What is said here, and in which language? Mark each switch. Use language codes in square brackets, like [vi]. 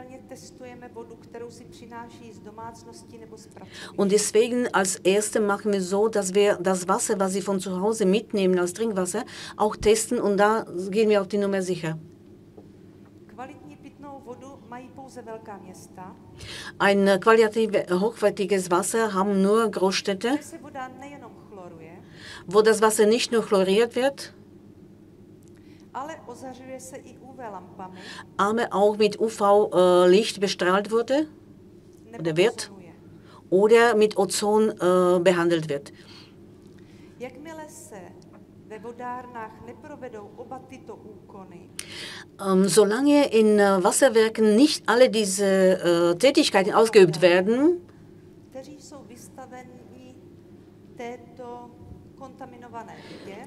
[cs] testujeme vodu, kterou si přináší z domácnosti nebo z pracovní. [de] Und deswegen als erste machen wir so, dass wir das Wasser, was sie von zu Hause mitnehmen als Trinkwasser, auch testen und da gehen wir auf die Nummer sicher. [cs] Kvalitní pitnou vodu mají pouze velká města. [de] Ein qualitativ hochwertiges Wasser haben nur Großstädte. [cs] Kde se voda nejenom chloruje, [de] wo das Wasser nicht nur chloriert wird. [cs] Ale ozařuje se i UV-lampami. [de] Aber auch mit UV-Licht bestrahlt wurde oder wird oder mit Ozon behandelt wird. [cs] Jakmile se ve vodárnách neprovedou oba tyto úkony, [de] solange in Wasserwerken nicht alle diese Tätigkeiten ausgeübt werden, [cs] kteří jsou vystaveni této kontaminované vodě,